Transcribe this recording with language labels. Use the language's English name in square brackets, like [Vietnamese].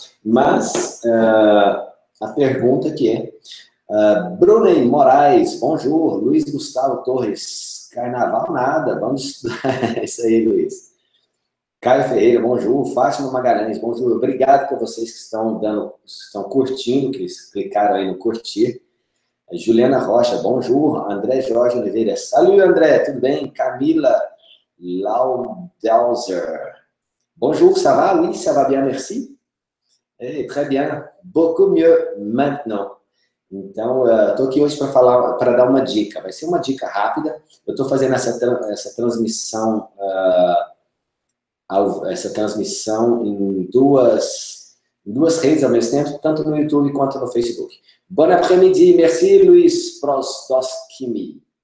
[Portuguese] Mas, a pergunta que é, Brunem Moraes, bonjour, Luiz Gustavo Torres, carnaval nada, vamos estudar. Isso aí, Luiz. Caio Ferreira, bonjour, Fátima Magalhães, bonjour, obrigado para vocês que estão curtindo, que clicaram aí no curtir. Juliana Rocha, bonjour. André Jorge Oliveira, salut André, tudo bem? [French] Camila Laudelzer, bonjour, ça va? Oui, ça va bien, merci. Et très bien, beaucoup mieux maintenant. [Portuguese] Então, estou aqui hoje para falar, para dar uma dica, vai ser uma dica rápida. Eu estou fazendo essa transmissão em duas redes ao mesmo tempo, tanto no YouTube quanto no Facebook. [French] Bon après-midi, merci Luiz Prostoskimi.